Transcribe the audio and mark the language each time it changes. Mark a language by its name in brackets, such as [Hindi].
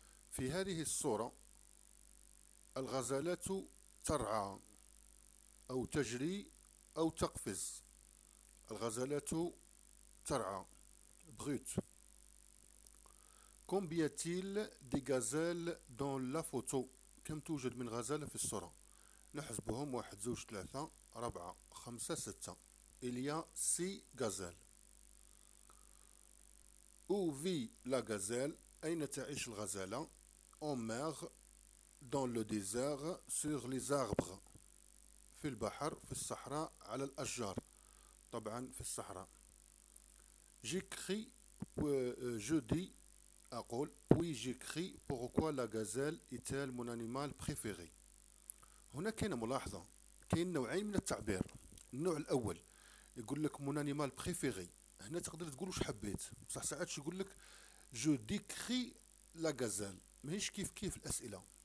[Arabic] في هذه الصورة الغزالات ترعى أو تجري أو تقفز. الغزالات ترعى، بروت. [French] Combien a-t-il de gazelles dans la photo؟ [Arabic] كم توجد من غزالة في الصورة؟ نحسبهم، واحد، زوج، ثلاثة، أربعة، خمسة، ستة. [French] Il y a six gazelles. Où vit la gazelle؟ [Arabic] أين تعيش الغزالة؟ [French] En mer، dans le désert، sur les arbres، [Arabic] في البحر، في الصحراء، على الأشجار. طبعا في الصحراء. [French] J'écris jeudi، [Arabic] أقول. [French] Oui j'écris. Pourquoi la gazelle est-elle mon animal préféré؟ [Arabic] هنا كاين ملاحظة، كاين نوعين من التعبير. النوع الأول يقول لك [French] mon animal préféré، [Arabic] هنا تقدر تقول واش حبيت، بصح ساعات يقول لك [French] je décris la gazelle، [Arabic] ماهيش كيف كيف الأسئلة.